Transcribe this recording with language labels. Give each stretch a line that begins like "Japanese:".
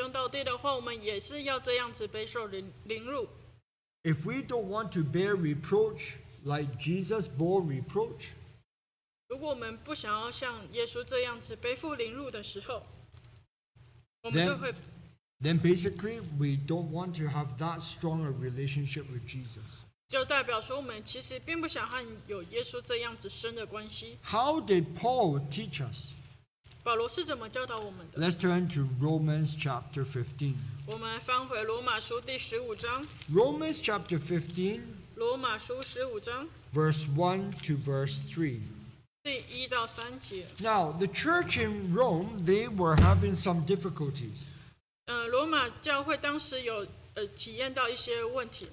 Chinese: 今天如果我们想要跟耶稣称兄道弟的话，我们也是要这样子背受凌辱。
English: If we don't want to bear reproach like Jesus bore reproach,
Chinese: 如果我们不想要像耶稣这样子背负凌辱的时候,
English: then basically we don't want to have that strong a relationship with Jesus.
Chinese: 就代表说我们其实并不想和有耶稣这样子深的关系。
English: How did Paul teach us?
Chinese: 保罗是怎么教导我们的?
English: Let's turn to Romans chapter 15.
Chinese: 我们翻回罗马书第15章。
English: Romans chapter 15.
Chinese: 罗马书15章。
English: Verse 1 to verse 3.
Chinese: 第1到3节。
English: Now, the church in Rome, they were having some difficulties.
Chinese: 罗马教会当时有体验到一些问题。